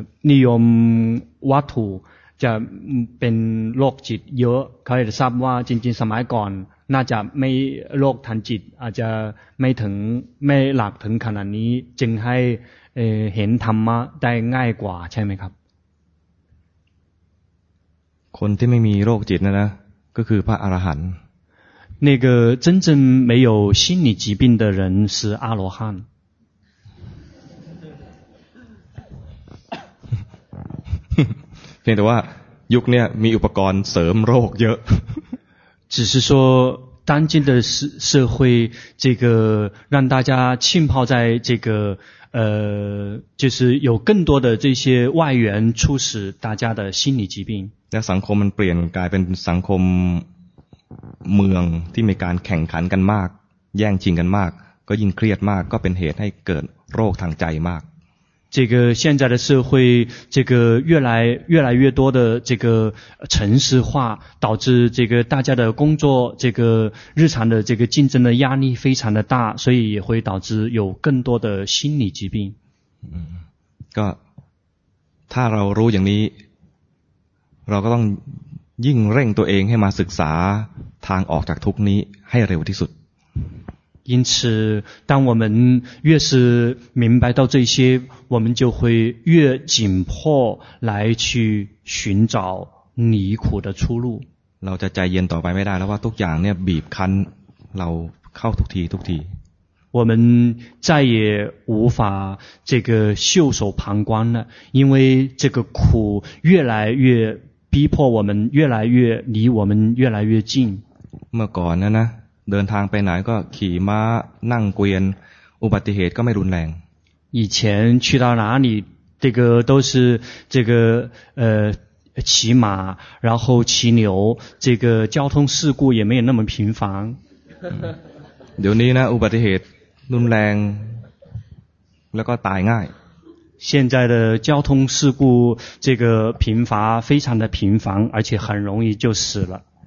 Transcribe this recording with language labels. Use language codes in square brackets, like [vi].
[th] นิยมวัตถุจะเป็นโรคจิตเยอะเขาจะทราบว่าจริงๆสมัยก่อนน่าจะไม่โรคทางจิตอาจจะไม่ถึงไม่หลักถึงขนาดนี้จึงให้ เห็นธรรมะได้ง่ายกว่าใช่ไหมครับ คนที่ไม่มีโรคจิตนะก็คือพระอรหันต์ [zh] 那个真正没有心理疾病的人是阿罗汉 [th] เพียงแต่ว่ายุคนี้มีอุปกรณ์เสริมโรคเยอะ [zh] 只是说当今的社会这个让大家浸泡在这个就是有更多的这些外援促使大家的心理疾病 [th] แล้วสังคมมันเปลี่ยนกลายเป็นสังคมเมืองที่มีการแข่งขันกันมากแย่งชิงกันมากก็ยิ่งเครียดมากก็เป็นเหตุให้เกิดโรคทางใจมาก [zh] 这个现在的社会，这个越来越多的这个城市化，导致这个大家的工作，这个日常的这个竞争的压力非常的大，所以也会导致有更多的心理疾病。 [th] 嗯，ก็ถ้าเรารู้อย่างนี้เราก็ต้องยิ่งเร่งตัวเองให้มาศึกษาทางออกจากทุกนี้ให้เร็วที่สุด [zh] 因此当我们越是明白到这些我们就会越紧迫来去寻找离苦的出路 [th] เราจะใจเย็นต่อไปไม่ได้แล้วว่าทุกอย่างเนี่ยบีบคั้นเราเข้าทุกทีทุกที [zh] 我们再也无法这个袖手旁观了因为这个苦越来越逼迫我们越来越离我们越来越近 [th] เมื่อก่อนนะเดินทางไปไหนก็ขี่ม้านั่งเกวียนอุบัติเหตุก็ไม่รุนแรง [zh] 以前去到哪里这个都是这个骑马然后骑牛这个交通事故也没有那么频繁 [th] เดี๋ยวนี้นะอุบัติเหตุรุนแรงแล้วก็ตายง่าย [zh] 现在的交通事故这个频发非常的频繁而且很容易就死了